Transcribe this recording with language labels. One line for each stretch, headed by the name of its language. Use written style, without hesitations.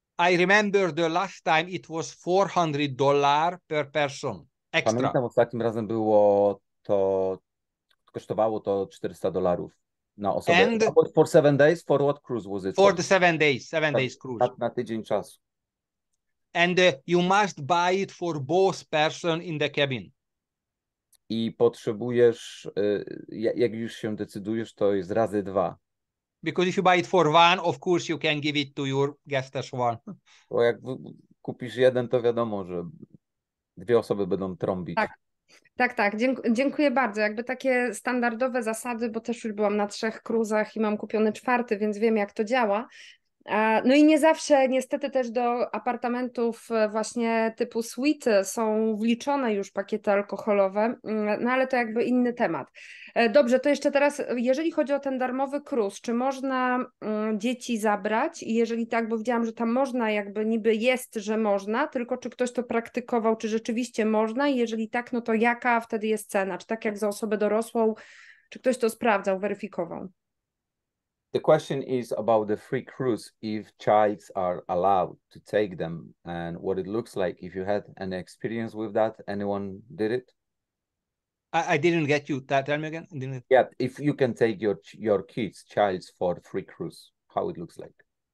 English: I remember the last time it was $400 per person extra.
Polish: Pamiętam ostatnim razem było to, kosztowało to $400 na osobę.
English: And for 7 days, for what cruise was it? For the 7 days, seven days cruise.
Polish: Tak na tydzień czasu.
English: And you must buy it for both person in the cabin.
Polish: I potrzebujesz, jak już się decydujesz, to jest razy dwa.
English: Because if you buy it for one, of course you can give it to your guest as one.
Polish: Bo jak kupisz jeden, to wiadomo, że dwie osoby będą trąbić. Tak. Tak, tak, dziękuję bardzo. Jakby takie standardowe zasady, bo też już byłam na 3 cruzach i mam kupiony 4, więc wiem, jak to działa. No i nie zawsze, niestety też do apartamentów właśnie typu suite są wliczone już pakiety alkoholowe, no ale to jakby inny temat. Dobrze, to jeszcze teraz, jeżeli chodzi o ten darmowy cruise, czy można dzieci zabrać? I jeżeli tak, bo widziałam, że tam można, jakby niby jest, że można, tylko czy ktoś to praktykował, czy rzeczywiście można? I jeżeli tak, no to jaka wtedy jest cena? Czy tak jak za osobę dorosłą, czy ktoś to sprawdzał, weryfikował?
English: The question is about the free cruise, if childs are allowed to take them and what it looks like. If you had an experience with that, anyone did it? I didn't get you. Tell me again. Yeah, if you can take your kids, childs, for free cruise, how it looks like.